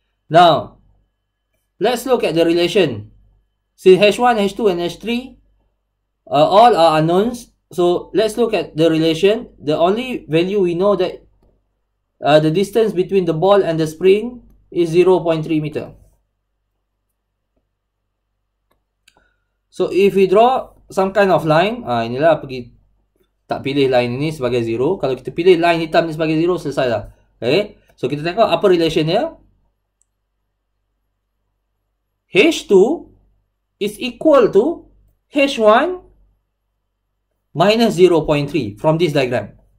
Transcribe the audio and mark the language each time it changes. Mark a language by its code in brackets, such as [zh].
[en] Now, let's look at the relation. See, H1, H2 and H3 all are unknowns. So, let's look at the relation. The only value we know that the distance between the ball and the spring is 0.3 meter. So, if we draw some kind of line, [ms] inilah pergi tak pilih line ini sebagai 0. Kalau kita pilih line hitam ni sebagai 0, selesai lah. Okay? So, kita tengok apa relation dia. [en] H2 is equal to H1 minus 0.3 from this diagram.